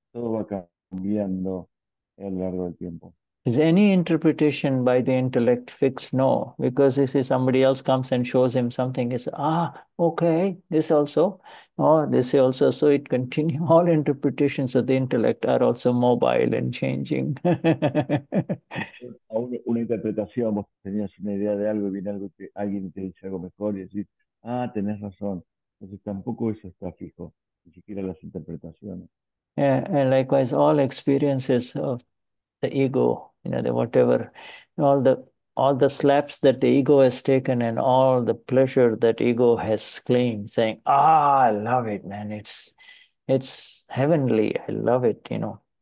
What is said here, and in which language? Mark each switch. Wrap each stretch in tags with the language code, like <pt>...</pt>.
<es>Todo va cambiando a lo largo del tiempo.</es> <en>Is any interpretation by the intellect fixed? No. Because this is somebody else comes and shows him something. He says, ah, okay, this also. Or this also. So it continues. All interpretations of the intellect are also mobile and changing.</en> <es>Una interpretación, vos tenías una idea de algo y viene algo, alguien te dice algo mejor y decís, ah, tenés razón. Entonces tampoco eso está fijo. Ni siquiera las interpretaciones.</es> <en>Yeah, and likewise, all experiences of the ego, you know, the whatever, all the slaps that the ego has taken and all the pleasure that ego has claimed, saying, ah, I love it, man, it's heavenly, I love it, you know.</en>